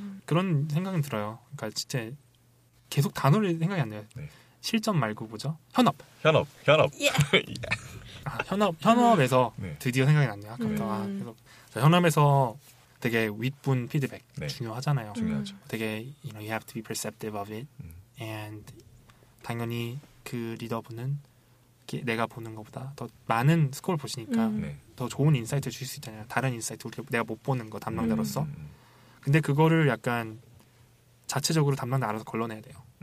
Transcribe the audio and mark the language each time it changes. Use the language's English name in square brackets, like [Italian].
[Korean] 그런 생각은 들어요. 그러니까 진짜 계속 단어를 생각이 안 나요. 네. 실전 말고 뭐죠? 현업. 현업. 현업. 예. 아, 현업. 현업에서 네. 드디어 생각이 났네요. 아까부터. 네. 아, 계속. 자, 현업에서 되게 윗분 피드백 네. 중요하잖아요. 중요하죠. 되게 [English] you know, you have to be perceptive of it. [Korean] And 당연히 그 리더분은 내가 보는 것보다 더 많은 스코어를 보시니까 더 좋은 인사이트를 주실 수 있잖아요. 다른 인사이트 우리가 내가 못 보는 거 담당자로서. 근데 그거를 약간 자체적으로 담당자 알아서 걸러내야 돼요.